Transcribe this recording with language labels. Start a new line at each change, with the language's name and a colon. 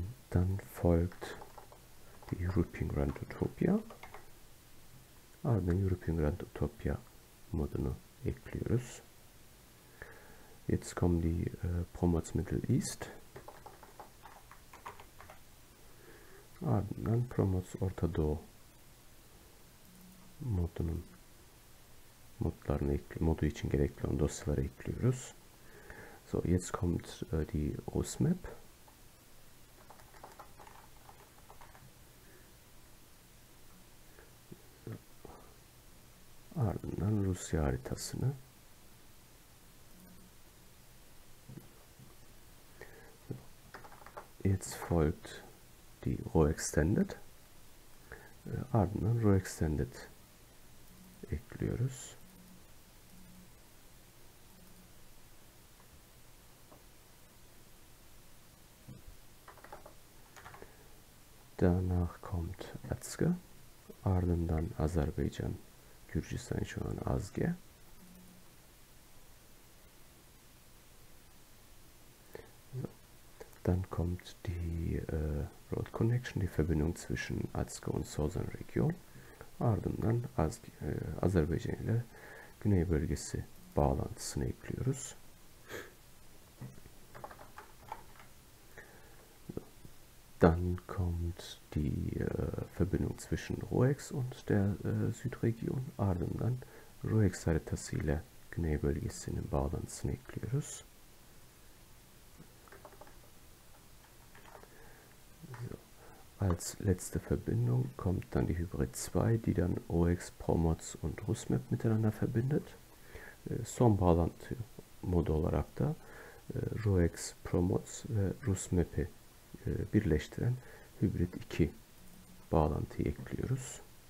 German: Dann folgt die European Grand Utopia.
Turkish: Ardından European Grand Utopia modunu ekliyoruz.
German: Jetzt kommen die Promots Middle East.
Turkish: Ardından Promots Orta Doğu modunun modlarını modu için gerekli olan dosyaları ekliyoruz.
German: So, jetzt kommt die OSMAP.
Turkish: Ardından Rusya haritasını.
German: Jetzt folgt die RAW Extended.
Turkish: Ardından RAW Extended ekliyoruz.
German: Danach kommt
Turkish: Azge, ardından Aserbaycan, Gürcistan şu an Azge.
German: Dann kommt die Road Connection, die Verbindung zwischen Azge und Southern Region.
Turkish: Ardından Aserbaycan ile Güney Bölgesi bağlantısını ekliyoruz.
German: Dann kommt die Verbindung zwischen ROEX und der Südregion.
Turkish: Ardından ROEX haritası ile Güney bölgesinin bağlantısını ekliyoruz.
German: Als letzte Verbindung kommt dann die Hybrid 2, die dann ROEX, ProMods und RUSMAP miteinander verbindet.
Turkish: Son bağlantı modu olarak da ROEX, ProMods ve RUSMAP'i birleştiren Hybrid 2 bağlantıyı ekliyoruz.